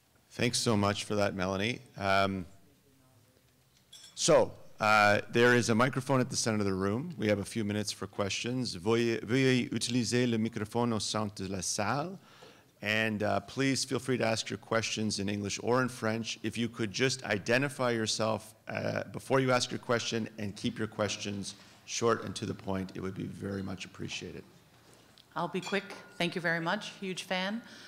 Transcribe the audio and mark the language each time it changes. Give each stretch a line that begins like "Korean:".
English: Thanks so much for that, Melanee. There is a microphone at the center of the room. We have a few minutes for questions.
French: Veuillez utiliser le microphone au centre de la salle.
English: And please feel free to ask your questions in English or in French. If you could just identify yourself before you ask your question and keep your questions short and to the point, it would be very much appreciated. I'll be quick. Thank you very much. Huge fan.